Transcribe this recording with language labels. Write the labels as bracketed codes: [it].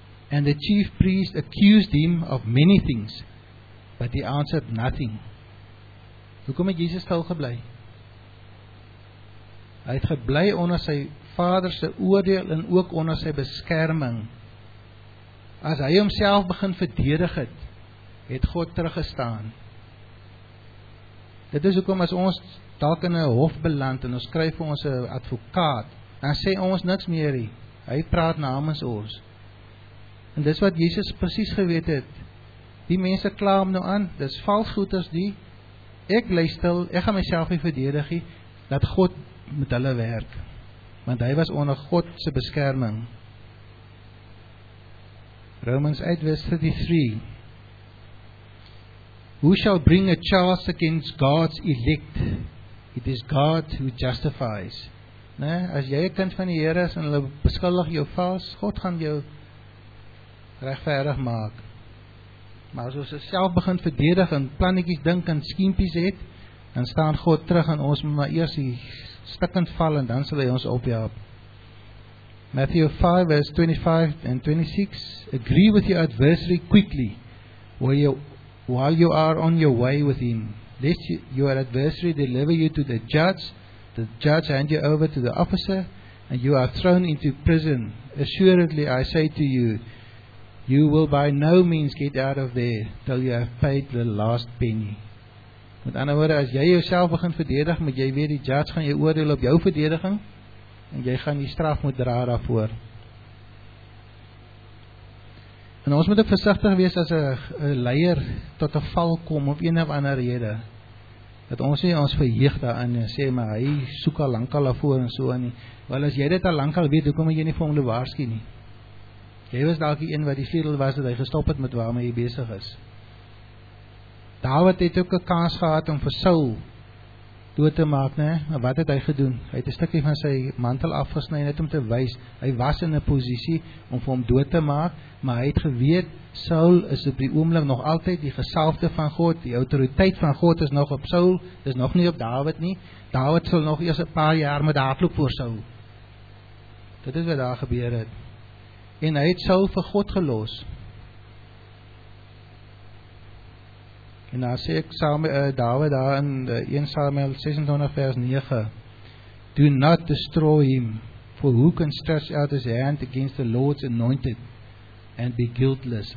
[en] And the chief priest accused him of many things, but he answered nothing. [af] Hoekom het Jesus stil gebly? Hy het gebly onder sy Vader se oordeel en ook onder sy beskerming. As hy homself begin verdedig het, het God teruggestaan. Dit is hoekom as ons dalk in 'n hof beland en ons skryf vir ons 'n advokaat, dan sê ons niks meer nie. Hy praat namens ons. En dis wat Jesus presies geweet het. Die mense kla hom nou aan, dis vals getuies die. Ek bly stil, ek gaan myself nie verdedig nie, dat God met hulle werk. Want hy was onder God se beskerming. [en] Romans 8 vers 33. Who shall bring a charge against God's elect? It is God who justifies. [af] Nee, as jy 'n kind van die Here is en hulle beskuldig jou vals, God gaan jou regverdig maak. Maar as ons self begin verdedig en plannetjies dink en skiempies het, dan staan God terug en ons moet maar eers die stikkend val en dan sal hy ons ophelp. [en] Matthew 5 vers 25 and 26. Agree with your adversary quickly while you are on your way with him. Lest your adversary deliver you to the judge hand you over to the officer and you are thrown into prison. Assuredly I say to you, you will by no means get out of there till you have paid the last penny. [af] Met ander woorde, as jy jouself begin verdedig, moet jy weet die judge gaan jou oordeel op jou verdediging en jy gaan die straf moet dra daarvoor. En ons moet ook versigtig wees as 'n leier tot 'n val kom op een of ander rede, dat ons nie ons verheug daarin en sê maar hy soek al lankal daarvoor en so aan nie. Wel, as jy dit al lankal weet, hoekom moet jy nie vir hom waarsku nie? Jy was dalk die een wat die sleutel was dat hy gestop het met waarmee hy besig is. Dawid het ook 'n kans gehad om vir Saul dood te maak, né? Maar wat het hy gedoen? Hy het 'n stukkie van sy mantel afgesny net om te wys hy was in 'n posisie om vir hom dood te maak, maar hy het geweet Saul is op die oomblik nog altyd die gesalfde van God, die autoriteit van God is nog op Saul, is nog nie op Dawid nie. Dawid sal nog eers 'n paar jaar met hardloop voor Saul. Dit is wat daar gebeur het. En hy het Saul vir God gelos. En daar sê ek saam met Dawid daar in 1 Samuel 26 vers 9, [en] Do not destroy him, for who can stretch out his hand against the Lord's anointed and be guiltless.